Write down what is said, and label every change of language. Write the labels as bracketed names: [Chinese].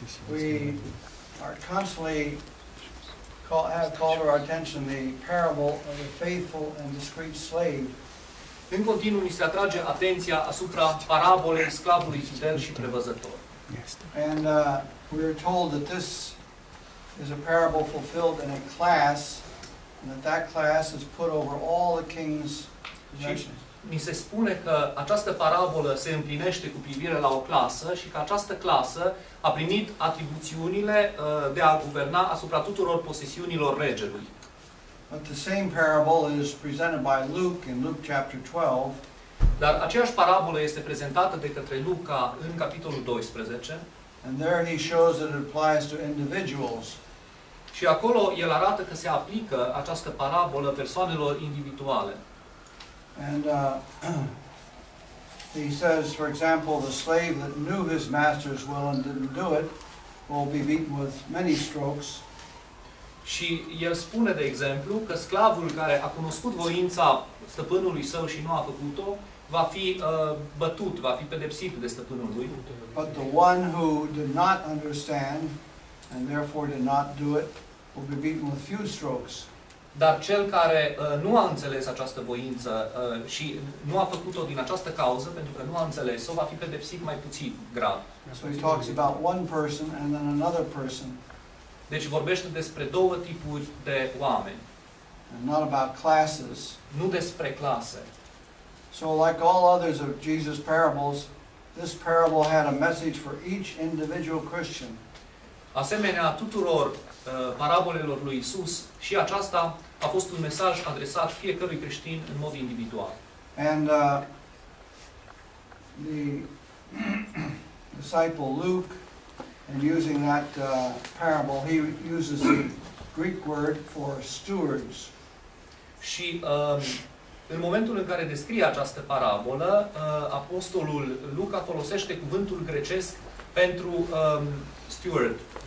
[English] We are constantly have called our attention the parable of the faithful and discreet slave. [Romanian] În continuu ni se atrage atenția asupra parabolei sclavului fidel și prevăzător. [English] And we are told that this is a parable fulfilled in a class, and that class is put over all the king's possessions. [Romanian] Mi se spune că această parabolă se împlinește cu privire la o clasă și că această clasă a primit atribuțiunile de a guverna asupra tuturor posesiunilor regelui. [English] But the same parable is presented by Luke in Luke chapter 12. [Romanian] Dar aceeași parabolă este prezentată de către Luca în capitolul 12. [English] And there he shows that it applies to individuals. [Romanian] Și acolo el arată că se aplică această parabolă persoanelor individuale. [English] And he says, for example, the slave that knew his master's will and didn't do it will be beaten with many strokes. [Romanian] Și el spune, de exemplu, că sclavul care a cunoscut voința stăpânului său și nu a făcut-o, va fi bătut, va fi pedepsit de stăpânul lui. [English] But the one who did not understand and therefore did not do it will be beaten with few strokes. [Romanian] Dar cel care nu a înțeles această voință și nu a făcut-o din această cauză, pentru că nu a înțeles-o, va fi pedepsit mai puțin grav. [English] So he talks about one person and then another person. [Romanian] Deci vorbește despre două tipuri de oameni. [English] And not about classes. [Romanian] Nu despre clase. [English] So like all others of Jesus' parables, this parable had a message for each individual Christian. [Romanian] Asemenea tuturor parabolelor lui Isus, și aceasta a fost un mesaj adresat fiecărui creștin în mod individual. [English] And the disciple Luke, in using that parable, he uses the Greek word for stewards. [Romanian] Și în momentul în care descrie această parabolă, apostolul Luca folosește cuvântul grecesc pentru steward.